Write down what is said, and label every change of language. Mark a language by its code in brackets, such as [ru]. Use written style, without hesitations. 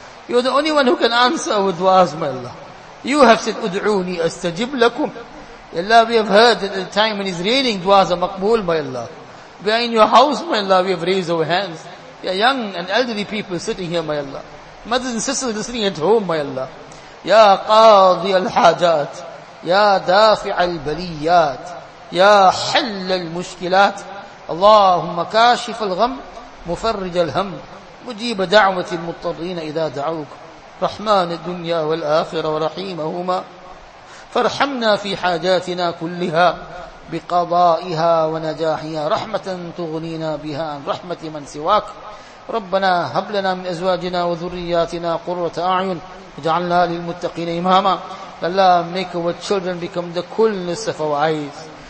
[en] You are the only one who can answer our du'as, my Allah. You have said, [ar] Ud'uni astajib lakum. [en] Ya Allah, we have heard that at the time when it's raining, du'as are maqbool, my Allah. We are in your house, my Allah, we have raised our hands. Ya young and elderly people sitting here, my Allah. Mothers and sisters listening at home, my Allah. [ar] Ya Qadhi al-Hajat. يا دافع البليات يا حل المشكلات اللهم كاشف الغم مفرج الهم مجيب دعوة المضطرين إذا دعوك رحمن الدنيا والآخرة ورحيمهما فارحمنا في حاجاتنا كلها بقضائها ونجاحها رحمة تغنينا بها عن رحمة من سواك ربنا هب لنا من أزواجنا وذرياتنا قرة أعين واجعلنا للمتقين إماما. [en] Allah, make our children become the coolness of our eyes.